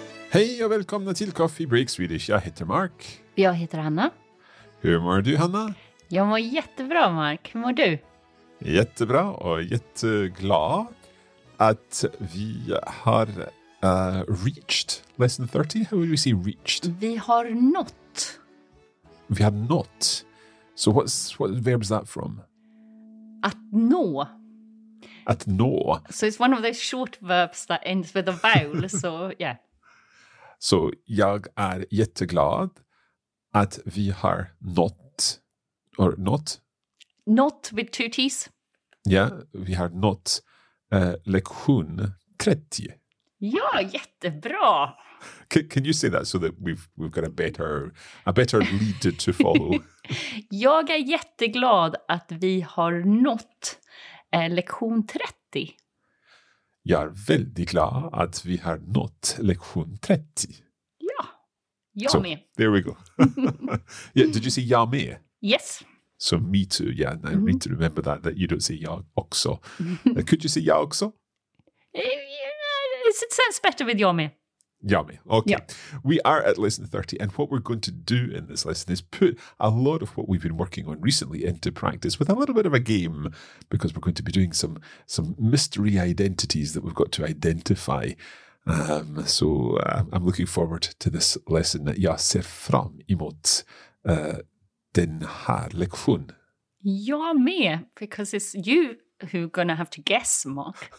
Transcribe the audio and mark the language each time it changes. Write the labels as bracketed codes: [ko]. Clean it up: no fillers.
[sv] Hej och välkomna till Coffee Break Swedish. Jag heter Mark. Jag heter Hanna. Hur mår du, Hanna? Jag mår jättebra, Mark. Hur mår du? Jättebra och jätteglad att vi har reached lesson 30. [en] How would we say reached? [sv] Vi har nått. Vi har nått. [en] So what verb is that from? [sv] Att nå. Att nå. [en] So it's one of those short verbs that ends with a vowel, so yeah. [sv] Så jag är jätteglad att vi har nått, [en] or not? Not with two T's. [sv] Ja, vi har nått lektion 30. Ja, jättebra! [en] Can you say that so that we've got a better lead to follow? [sv] Jag är jätteglad att vi har nått lektion 30. Jag är väldigt glad att vi har nått lektion 30. Ja, jag so, med. [en] There we go. Yeah, did you say [sv] jag med? [en] Yes. So me too, yeah. And I need to remember that you don't say [sv] jag också. [en] Could you say [sv] jag också? [en] Yeah, it sounds better with [sv] jag med. Jag med, okay. Yeah. [en] We are at lesson 30, and what we're going to do in this lesson is put a lot of what we've been working on recently into practice with a little bit of a game, because we're going to be doing some mystery identities that we've got to identify. I'm looking forward to this lesson. [sv] Jag ser fram emot den här lektion. Jag med, [en] because it's you who are going to have to guess, Mark.